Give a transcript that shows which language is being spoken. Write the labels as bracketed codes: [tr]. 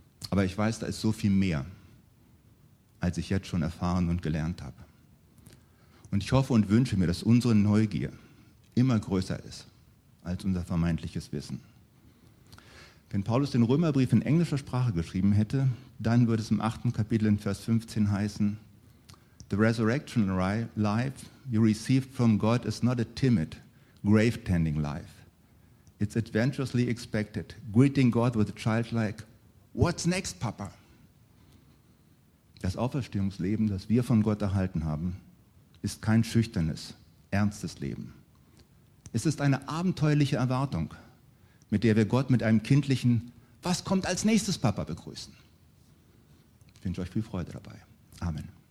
[de] Aber ich weiß, da ist so viel mehr, als ich jetzt schon erfahren und gelernt habe. Und ich hoffe und wünsche mir, dass unsere Neugier immer größer ist als unser vermeintliches Wissen. Wenn Paulus den Römerbrief in englischer Sprache geschrieben hätte, dann würde es im 8. Kapitel in Vers 15 heißen: [en] The resurrection life you received from God is not a timid, grave-tending life. It's adventurously expected, greeting God with a childlike, what's next, Papa? [de] Das Auferstehungsleben, das wir von Gott erhalten haben, ist kein schüchternes, ernstes Leben. Es ist eine abenteuerliche Erwartung, mit der wir Gott mit einem kindlichen, was kommt als nächstes, Papa, begrüßen. Ich wünsche euch viel Freude dabei. Amen.